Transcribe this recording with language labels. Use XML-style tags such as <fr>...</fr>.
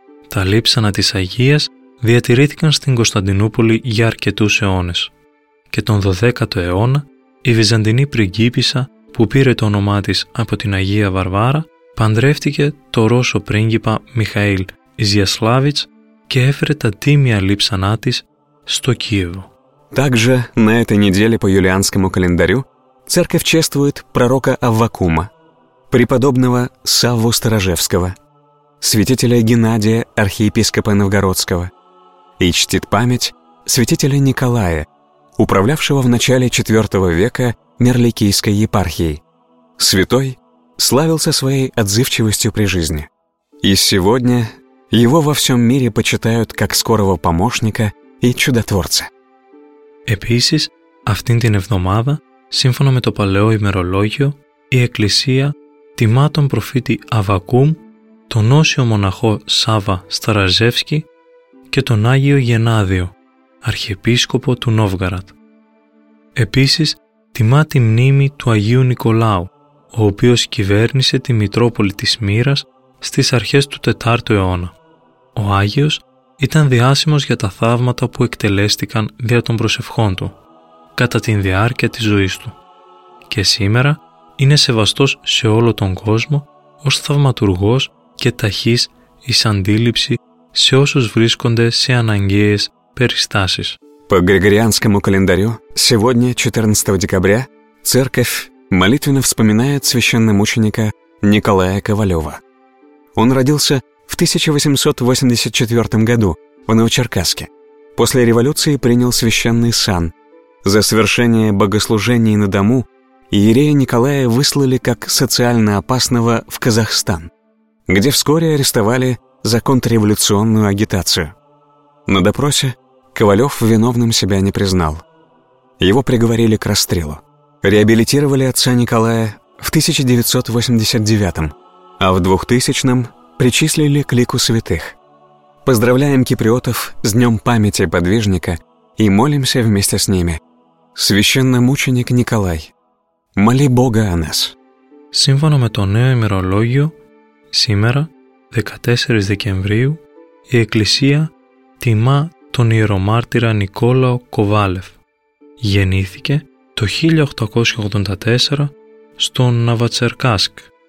<el>Τα λείψανα της Αγίας διατηρήθηκαν στην Κωνσταντινούπολη για αρκετούς αιώνες και τον 12ο αιώνα η Βυζαντινή πριγκίπισσα που πήρε το όνομά της από την Αγία Βαρβάρα παντρεύτηκε το Ρώσο πρίγκιπα Μιχαήλ Ιζιασλάβιτς και έφερε τα τίμια λείψανά της στο Κίεβο.</el> <ru>Также на этой неделе по юлианскому календарю Церковь чествует пророка Аввакума, преподобного Савву Старожевского, святителя Геннадия, архиепископа Новгородского, и чтит память святителя Николая, управлявшего в начале 4 века Мерликийской епархией. Святой славился своей отзывчивостью при жизни. И сегодня его во всем мире почитают как скорого помощника и чудотворца.</ru> <el>Эписис, автин тин эвномада, σύμφωνα με το παλαιό ημερολόγιο, η Εκκλησία τιμά τον προφήτη Αββακούμ, τον όσιο μοναχό Σάββα Σταραζεύσκη και τον Άγιο Γενάδιο, αρχιεπίσκοπο του Νόβγαρατ. Επίσης, τιμά τη μνήμη του Αγίου Νικολάου, ο οποίος κυβέρνησε τη Μητρόπολη της Σμύρας στις αρχές του 4ου αιώνα. Ο Άγιος ήταν διάσημος για τα θαύματα που εκτελέστηκαν δια των προσευχών του κατά την διάρκεια της ζωής του και σήμερα είναι σεβαστός σε όλο τον κόσμο ως θαυματουργός και ταχύς εις αντίληψη σε όσους βρίσκονται σε αναγκαίες περιστάσεις.</el> <ru>По Григорианскому календарю сегодня, 14 декабря, церковь молитвенно вспоминает священномученика Николая Ковалева. Он родился в 1884 году в Новочеркасске. После революции принял священный сан. За совершение богослужений на дому иерея Николая выслали как социально опасного в Казахстан, где вскоре арестовали за контрреволюционную агитацию. На допросе Ковалев виновным себя не признал. Его приговорили к расстрелу. Реабилитировали отца Николая в 1989-м, а в 2000-м причислили к лику святых. Поздравляем киприотов с Днем памяти подвижника и молимся вместе с ними. Священномученик Николай, моли Бога о нас.</ru> <el>Σύμφωνα με το νέο ημερολόγιο, σήμερα, 14 Δεκεμβρίου, η Εκκλησία τιμά τον ιερομάρτυρα Νικόλαο Κοβάλεφ. Γεννήθηκε το 1884 στο Νοβοτσερκάσκ.</el>